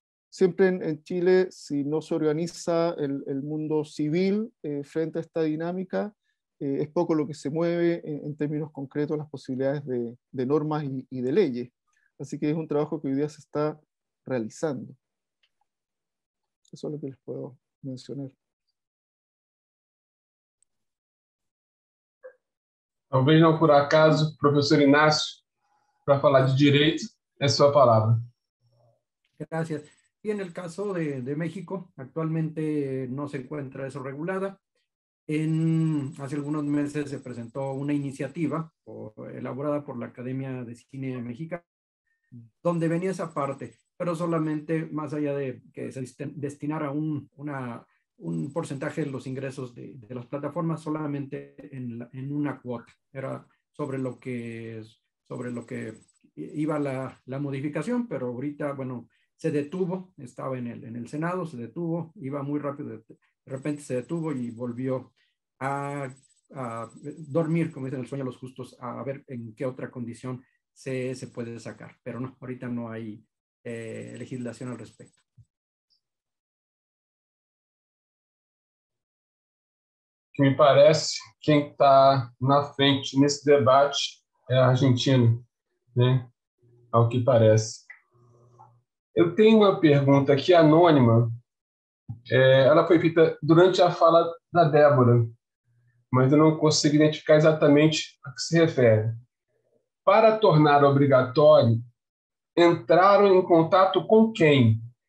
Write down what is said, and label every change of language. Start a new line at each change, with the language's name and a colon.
Spanish: Siempre en Chile, si no se organiza el mundo civil frente a esta dinámica, es poco lo que se mueve en términos concretos las posibilidades de normas y de leyes. Así que es un trabajo que hoy día se está realizando. Eso es lo que les puedo mencionar.
Portuguese: Talvez não por acaso, professor Inácio, para falar de direito, é sua palavra.
Spanish: Gracias. Y en el caso de México, actualmente no se encuentra eso regulada. Hace algunos meses se presentó una iniciativa elaborada por la Academia de Cine Mexicana, donde venía esa parte, pero solamente más allá de que se destinara un porcentaje de los ingresos de las plataformas, solamente en una cuota. Era sobre lo que iba la modificación, pero ahorita, bueno, se detuvo, estaba en el Senado, se detuvo, iba muy rápido, de repente se detuvo y volvió a dormir, como dicen, el sueño de los justos, a ver en qué otra condición se puede sacar. Pero no, ahorita no hay legislación al respecto. Me parece que quien está
Portuguese: na frente
Spanish: en este debate es argentino, ¿no?
Portuguese: Ao que parece. Eu tenho uma pergunta aqui anônima, ela foi feita durante a fala da Débora, mas eu não consigo identificar exatamente a que se refere. Para tornar obrigatório, entraram em contato com quem?